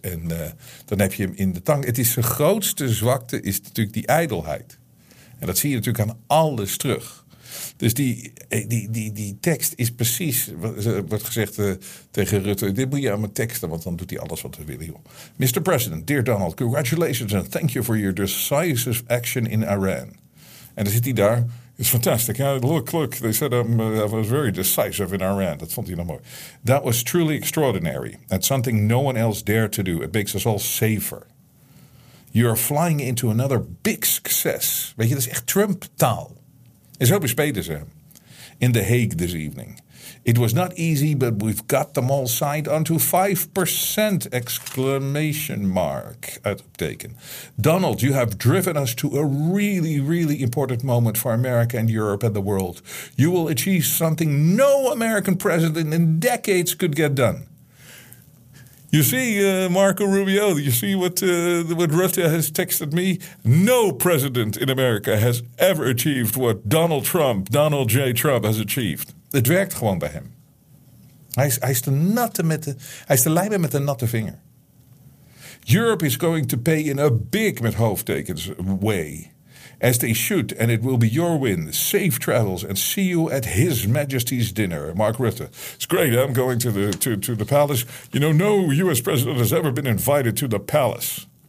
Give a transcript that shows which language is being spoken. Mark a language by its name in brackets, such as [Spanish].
[Dutch] En dan heb je hem in de tang. Het is zijn grootste zwakte, is natuurlijk die ijdelheid. En dat zie je natuurlijk aan alles terug. Dus die tekst is precies, wordt gezegd tegen Rutte, dit moet je aan mijn teksten, want dan doet hij alles wat we willen. Joh. Mr. [English] President, dear Donald, congratulations and thank you for your decisive action in Iran. [Dutch] En dan zit hij daar, [English] it's fantastic, yeah, look, they said I was very decisive in Iran. [Dutch] Dat vond hij nog mooi. [English] That was truly extraordinary. That's something no one else dared to do. It makes us all safer. You're flying into another big success. [Dutch] Weet je, dat is echt Trump-taal. En zo bespeden ze hem. [English] In The Hague this evening. It was not easy, but we've got them all signed onto 5% exclamation mark. [Dutch] Uitroepteken. [English] Donald, you have driven us to a really, really important moment for America and Europe and the world. You will achieve something no American president in decades could get done. You see, Marco Rubio, you see what Russia has texted me? No president in America has ever achieved what Donald J. Trump has achieved. [Dutch] Het werkt gewoon bij hem. Hij is de lijmen met de natte vinger. [English] Europe is going to pay in a big, [Dutch] met hoofdtekens, [English] way. As they should, and it will be your win. Safe travels, and see you at His Majesty's dinner. Mark Rutte. It's great. I'm going to the palace. You know, no U.S. president has ever been invited to the palace.